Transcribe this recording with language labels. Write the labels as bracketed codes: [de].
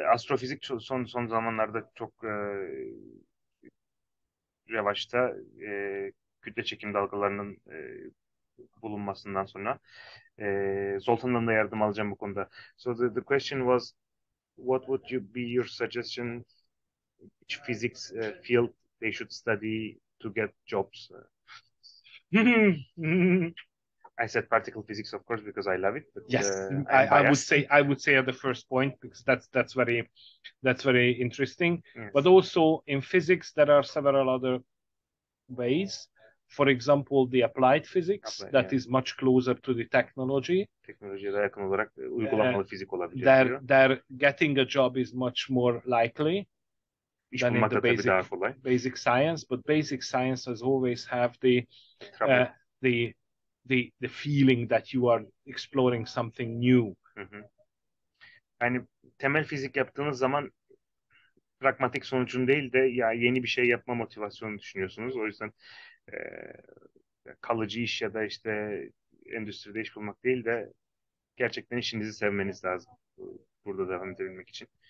[tr] Astrofizik son zamanlarda çok revaçta. Kütle çekim dalgalarının bulunmasından sonra Zoltan'dan da yardım alacağım bu konuda. [en] So the question was, what would you be your suggestion, which physics field they should study to get jobs? I said particle physics, of course, because I love it. But, yes, I would say at the first point, because that's very interesting. Yes. But also in physics, there are several other ways. For example, the applied physics, that yeah. is much closer to the technology. [tr] Teknolojiye daha yakın olarak uygulamalı fizik olabilir. [en] There getting a job is much more likely İş than in the basic science. But basic science has always have the feeling that you are exploring something new. Hı-hı. [tr] Yani temel fizik yaptığınız zaman pragmatik sonucun değil de ya yeni bir şey yapma motivasyonu düşünüyorsunuz. O yüzden kalıcı iş ya da işte endüstride iş bulmak değil de gerçekten işinizi sevmeniz lazım burada devam edebilmek için.